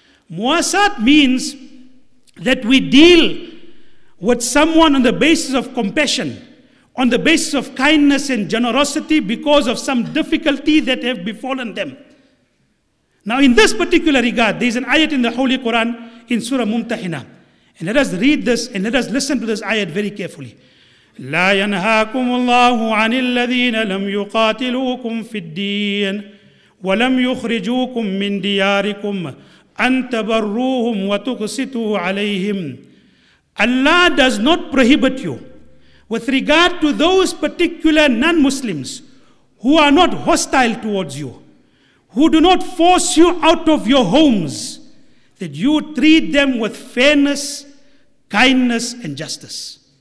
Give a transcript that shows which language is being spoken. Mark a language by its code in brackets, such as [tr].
[en] Muasat means that we deal with someone on the basis of compassion, on the basis of kindness and generosity because of some difficulty that have befallen them. Now in this particular regard, there is an ayat in the Holy Quran in Surah Mumtahina. And let us read this and let us listen to this ayat very carefully. [ar] لا ينهاكم الله عن الذين لم يقاتلوكم في الدين ولم يخرجوكم من دياركم أن تبروهم وتقسطوا عليهم. [en] Allah does not prohibit you with regard to those particular non-Muslims who are not hostile towards you, who do not force you out of your homes, that you treat them with fairness, kindness, and justice.